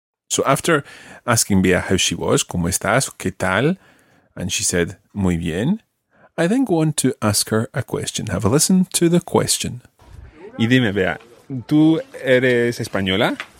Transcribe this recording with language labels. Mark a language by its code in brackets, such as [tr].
[en] So after asking Bea how she was, [es] ¿cómo estás? ¿Qué tal? [en] And she said, [es] muy bien. [en] I then go on to ask her a question. Have a listen to the question. [es] Y dime, Bea, ¿tú eres española?